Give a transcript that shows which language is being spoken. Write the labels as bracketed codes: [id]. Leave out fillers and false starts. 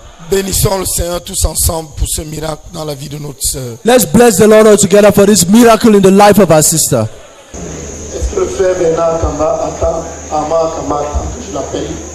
[fr] Bénissons le Seigneur tous ensemble pour ce miracle dans la vie de notre sœur. [en] Let's bless the Lord all together for this miracle in the life of our sister. [fr] Est-ce que le frère Bernard Kamba attend Ama Kamba tant que je l'appelle?